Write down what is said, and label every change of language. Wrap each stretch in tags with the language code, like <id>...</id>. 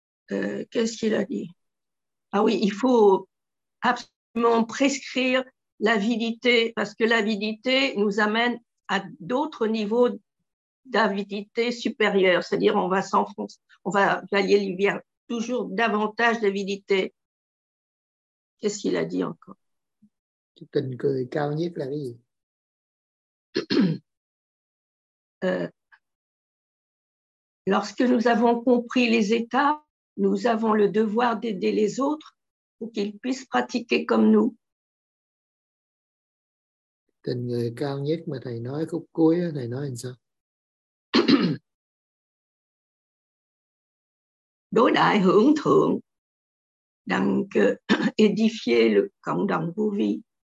<fr>Qu'est-ce qu'il a dit? Ah oui, il faut absolument prescrire l'avidité, parce que l'avidité nous amène à d'autres niveaux d'avidité supérieure, c'est-à-dire on va s'enfoncer, on va aller vers toujours davantage d'avidité. Qu'est-ce qu'il a dit encore?</fr> <vi>Tình cười cao nhất là cái gì?</vi> <fr>Lorsque nous avons compris les étapes, nous avons le devoir d'aider les autres pour qu'ils puissent pratiquer comme nous.</fr> <vi>Tình người cao nhất mà thầy nói khúc cuối, thầy nói làm sao? Đối đãi hướng thượng,</vi> <fr>donc édifier le camp dans vos vies.</fr>